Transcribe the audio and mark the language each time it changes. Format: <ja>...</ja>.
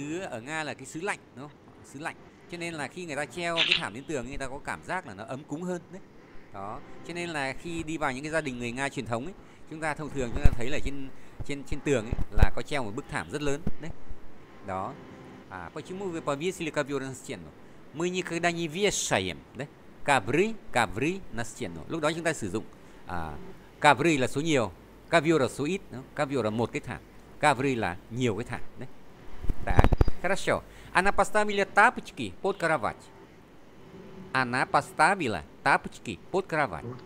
<vi>Ở Nga là cái xứ lạnh đúng không? Xứ lạnh. Cho nên là khi người ta treo cái thảm lên tường người ta có cảm giác là nó ấm cúng hơn đấy. Đó. Cho nên là khi đi vào những cái gia đình người Nga truyền thống ấy, chúng ta thông thường chúng ta thấy là trên trên trên tường ấy là có treo một bức thảm rất lớn đấy. Đó.</vi> <ru>À почему вы повесили ковёр на стену? Мы никогда не вешаем, đấy. Ковры, ковры на стену.</ru> <vi>Лúc đó chúng ta sử dụng ковры là số nhiều, ковёр là số ít, ковёр là một cái thảm, ковры là nhiều cái thảm đấy.</vi> <ru>Так. Хорошо. Она поставила тапочки под кровать. Она поставила тапочки под кровать.</ru>